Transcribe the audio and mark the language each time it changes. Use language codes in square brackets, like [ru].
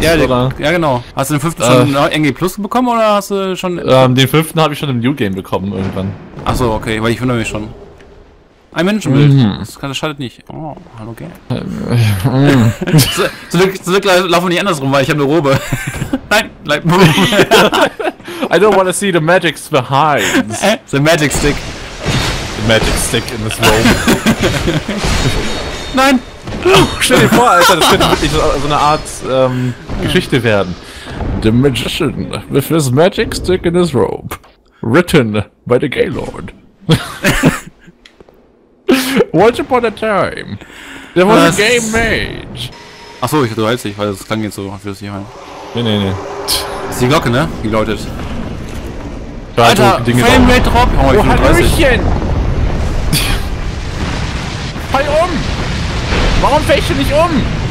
[de] Ja, genau. Hast du den 5. schon NG Plus bekommen oder hast du schon. Den 5. habe ich schon im New Game bekommen irgendwann. Achso, okay, weil ich wundere mich schon. Ein Menschenbild. Mhm. Das schadet nicht. Oh, hallo, okay. Zum Glück laufen nicht andersrum, weil ich habe eine Robe. Nein, bleib. [en] I don't want to see the magics behind. The magic stick. The magic stick in this robe. [de] Nein! Stell dir vor, Alter, das könnte wirklich so eine Art Geschichte werden. [en] The magician with his magic stick in his robe. Written by the Gaylord. Once upon a time, there was a game mage. [de] Achso, ich weiß nicht, weil das klang jetzt so, wie das hier rein. Nee. Das ist die Glocke, ne? Die läutet. Da Alter, so Dinge [en] Frame Rate Drop! [de] Oh, ich bin 30. Fall um! Warum fällst du nicht um?